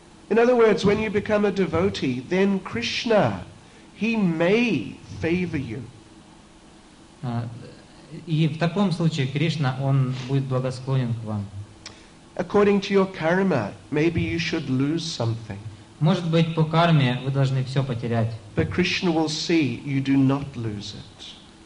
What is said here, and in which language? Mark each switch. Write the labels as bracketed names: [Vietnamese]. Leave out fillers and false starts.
[English] In other words, when you become a devotee, then Krishna, he may favor you. [Russian] И в таком случае Кришна, он будет благосклонен к вам. [English] According to your karma, maybe you should lose something. [Russian] Может быть, по карме вы должны все потерять. [English] But Krishna will see you do not lose it.